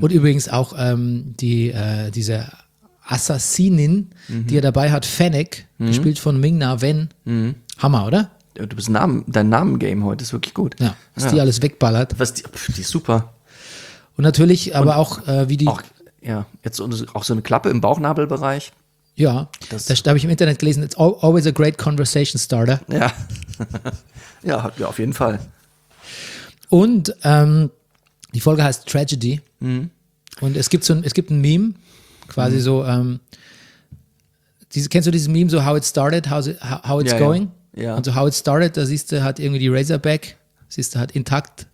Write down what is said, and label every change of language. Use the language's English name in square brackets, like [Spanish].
[German] Und übrigens auch diese Assassinin, die er dabei hat, Fennec, gespielt von Ming-Na Wen. Mhm. Hammer, oder? Du bist dein Namen-Game heute ist wirklich gut. Ja, was die alles wegballert. Die ist super. Und natürlich, aber und auch wie die. Jetzt auch so eine Klappe im Bauchnabelbereich. Ja, das habe ich im Internet gelesen. [English] It's always a great conversation starter. [German] Ja. Ja, auf jeden Fall. Und die Folge heißt Tragedy. Mhm. Und es gibt ein Meme, quasi so. Kennst du dieses Meme, so How It Started, How It's Going? Ja. Ja. Und so How It Started, da siehst du, hat irgendwie die Razorback, siehst du, hat intakt